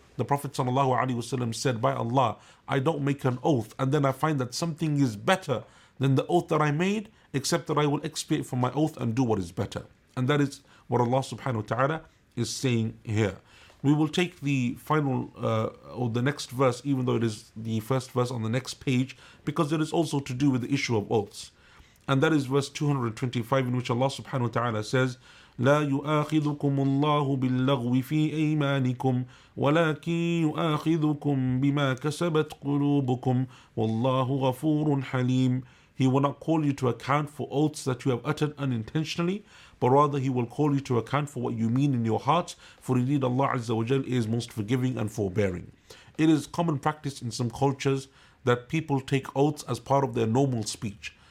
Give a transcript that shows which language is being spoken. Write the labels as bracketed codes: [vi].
[en] The Prophet sallallahu alaihi wasallam said, by Allah, I don't make an oath and then I find that something is better than the oath that I made, except that I will expiate from my oath and do what is better. And that is what Allah subhanahu wa ta'ala is saying here. We will take the final or the next verse, even though it is the first verse on the next page, because it is also to do with the issue of oaths. And that is verse 225, in which Allah subhanahu wa ta'ala says, [ar] لا يؤاخذكم الله باللغو في أيمانكم ولكن يؤاخذكم بما كسبت قلوبكم والله غفور حليم. [en] He will not call you to account for oaths that you have uttered unintentionally, but rather he will call you to account for what you mean in your hearts, for indeed Allah Azza wa Jal is most forgiving and forbearing. It is common practice in some cultures that people take oaths as part of their normal speech.